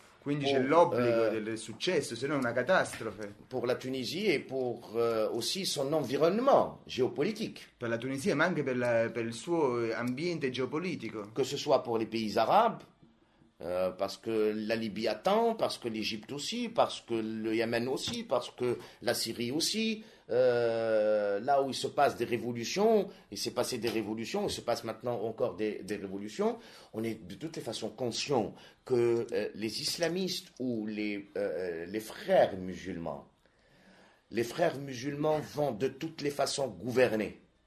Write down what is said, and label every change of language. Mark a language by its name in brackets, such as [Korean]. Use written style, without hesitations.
[Italian] Quindi c'è l'obbligo del successo, se no è una catastrofe. [French] Pour la Tunisie et pour aussi son environnement géopolitique. [Italian] Per la Tunisia, ma anche per il suo ambiente geopolitico. [French] Que ce soit pour les pays arabes, parce que la Libye attend, parce que l'Égypte aussi, parce que le Yémen aussi, parce que la Syrie aussi. Là où il se passe des révolutions, il s'est passé des révolutions, il se passe maintenant encore des révolutions, on est de toutes les façons conscients que les islamistes ou les frères musulmans vont de toutes les façons gouverner.